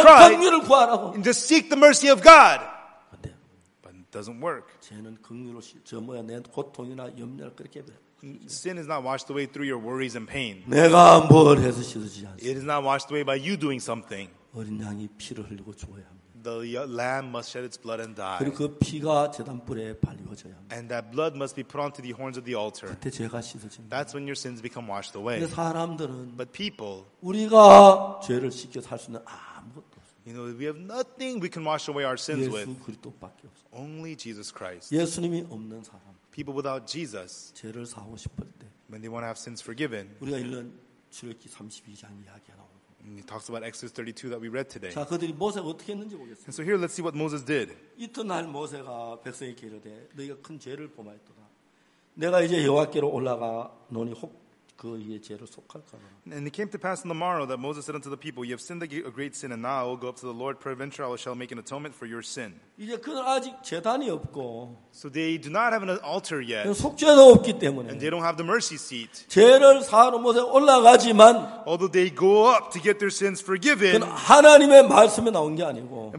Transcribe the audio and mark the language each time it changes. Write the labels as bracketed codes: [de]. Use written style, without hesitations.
[en] cry, and just seek the mercy of God. But it doesn't work. Sin is not washed away through your worries and pain. It is not washed away by you doing something. The lamb must shed its blood and die. [ko] 그리고 그 피가 제단 뿔에 발리워져야 합니다. [en] And that blood must be put onto the horns of the altar. [ko] 그때 죄가 씻어집니다. [en] That's when your sins become washed away. [ko] 근데 사람들은 [en] But people, [ko] 우리가 죄를 씻겨 살 수 있는 아무것도 없어요. [en] You know, we have nothing we can wash away our sins with. [ko] 예수 그리스도밖에 없어요. [en] Only Jesus Christ. [ko] 예수님이 없는 사람. [en] People without Jesus. [ko] 죄를 사하고 싶을 때 [en] When they want to have sins forgiven. [ko] 우리가 읽는 출애굽기 32장 이야기야. [en] And he talks about Exodus 32 that we read today. [ko] 자, 그들이 모세가 어떻게 했는지 보겠습니다. [en] And so here, let's see what Moses did. [ko] 이튿날 모세가 백성에게 이르되 너희가 큰 죄를 범하였도다. 내가 이제 여호와께로 올라가 노니 혹 그의 죄를 속할까. [en] And it came to pass on the morrow that Moses said unto the people, You have sinned a great sin, and now I will go up to the Lord. Peradventure I shall make an atonement for your sin. [ko] 이제 그는 아직 제단이 없고. [en] So they do not have an altar yet. [ko] 속죄도 없기 때문에. [en] And they don't have the mercy seat. [ko] 죄를 사하러 모세 올라가지만. [en] Although they go up to get their sins forgiven. [ko] 하나님의 말씀에 나온 게 아니고.